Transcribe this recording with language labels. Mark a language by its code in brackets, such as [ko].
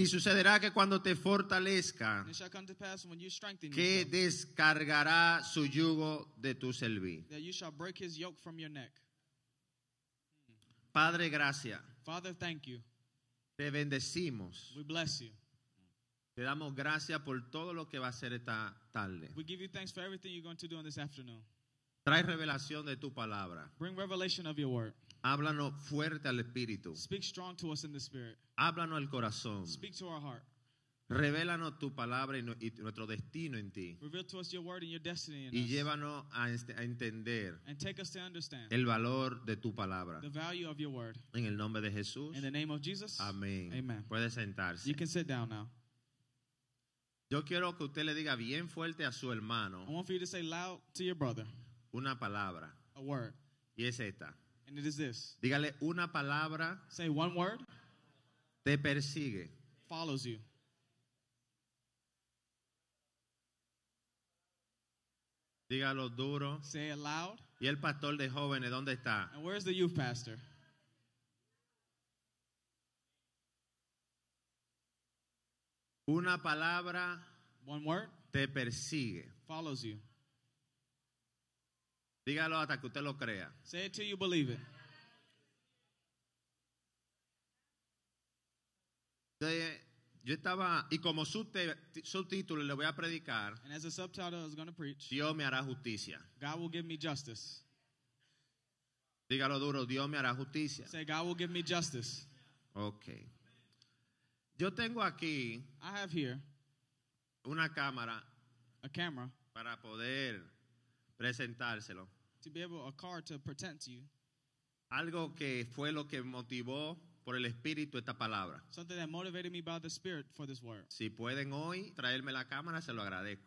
[es] Y sucederá que cuando te fortalezca. [en] And it shall come to pass when you strengthen [es] que [en] yourself. [es] Descargará su yugo de tu selví. [en] That you shall break his yoke from your neck. [es] Padre, gracias. [en] Father, thank you. [es] Te bendecimos. [en] We bless you. [es] Te damos gracias por todo lo que va a hacer esta tarde. [en] We give you thanks for everything you're going to do on this afternoon. [es] Trae revelación de tu palabra. [en] Bring revelation of your word. [es] Háblanos fuerte al espíritu. [en] Speak strong to us in the spirit. [es] Háblanos al corazón. [en] Speak to our heart. [es] Revélanos tu palabra y nuestro destino en ti. [en] Reveal to us your word and your destiny in [es] y llévanos a entender [en] and take us to understand [es] el valor de tu palabra. [en] The value of your word. [es] En el nombre de Jesús. [en] In the name of Jesus. [es] Amén. [en] Amen. [es] Puede sentarse. [en] You can sit down now. [es] Yo quiero que usted le diga bien fuerte a su hermano. [en] I want for you to say loud to your brother. [es] Una palabra. [en] A word. [es] Y es esta. [en] And it is this. [es] Dígale una palabra. [en] Say one word. [es] Te persigue. [en] Follows you. [es] Dígalo duro. [en] Say it loud. [es] ¿Y el pastor de jóvenes dónde está? [en] And where's the youth pastor? [es] Una palabra. [en] One word. [es] Te persigue. [en] Follows you. [es] Dígalo hasta que usted lo crea. [en] Say it till you believe it. [es] Yo estaba, y como subtítulo le voy a predicar, [en] and as a subtitle I was going to preach, [es] Dios me hará justicia. [en] God will give me justice. [es] Dígalo duro, Dios me hará justicia. [en] Say, God will give me justice. [es] Okay. Yo tengo aquí, [en] I have here, [es] una cámara, [en] a camera, [es] para poder presentárselo, [en] to be able, a car to pretend to you, [es] algo que fue lo que motivó por el Espíritu esta palabra. [en] Something that motivated me by the Spirit for this word. [es] Si pueden hoy traerme la cámara, se lo agradezco.